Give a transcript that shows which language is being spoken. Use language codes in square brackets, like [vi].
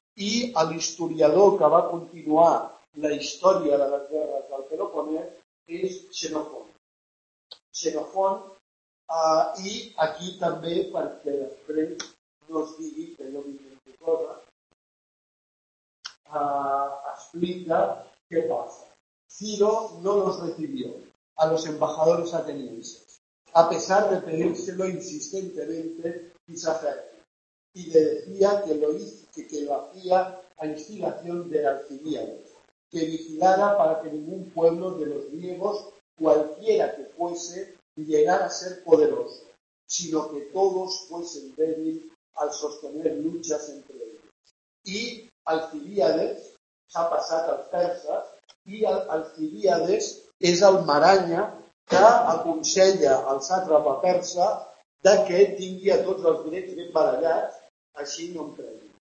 [ca] I l'historiador que va continuar la història de les guerres del Peloponès és Xenofont. Xenofont, i aquí també, perquè després no es digui que jo m'invento coses, explica què passa. [es] Ciro no los recibió a los embajadores atenienses, a pesar de pedírselo insistentemente y sacerdote, y le decía que lo hacía a instigación del Alcibíades, que vigilara para que ningún pueblo de los griegos, cualquiera que fuese, llegar a ser poderoso, sino que todos fuesen débiles al sostener luchas entre ellos. [ca] Y Alcibíades s'ha passat als perses i Alcibíades és el maranya que aconsella al sàtrapa persa de que tingui a tots els grecs ben barallats, així no em creguin.